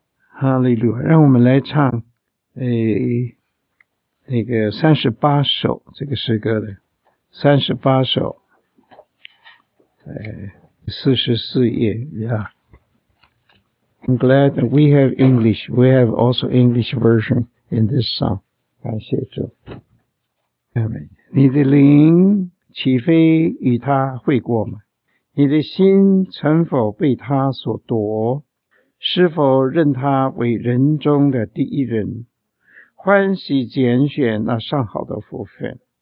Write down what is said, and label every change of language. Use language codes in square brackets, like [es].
[zh] 哈利路亚，让我们来唱38首这个诗歌的38首44页 [en] yeah. I'm glad that we have English. We have also English version in this song. [zh] 感谢主。Amen. 你的灵岂非与他会过吗？你的心曾否被他所夺？是否认他为人中的第一人，欢喜拣选那上好的福分？